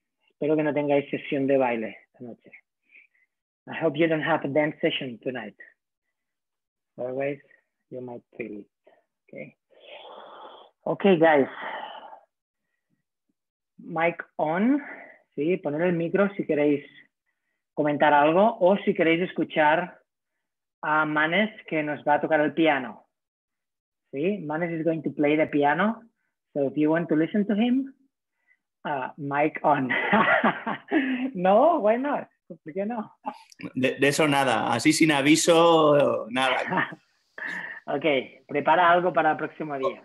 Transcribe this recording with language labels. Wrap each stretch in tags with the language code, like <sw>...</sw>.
<es>Espero que no tengáis sesión de baile esta noche.</es> <en>I hope you don't have a dance session tonight. Otherwise, you might feel it. Okay? Okay, guys. Mic on.</en> <es>Sí, poner el micro si queréis comentar algo o si queréis escuchar a Manes que nos va a tocar el piano. Sí,</es> <en>Manes is going to play the piano. So if you want to listen to him, mic on. No, why not?</en> <es>¿Por qué no? De eso nada, así sin aviso, nada. Ok, prepara algo para el próximo día.</es>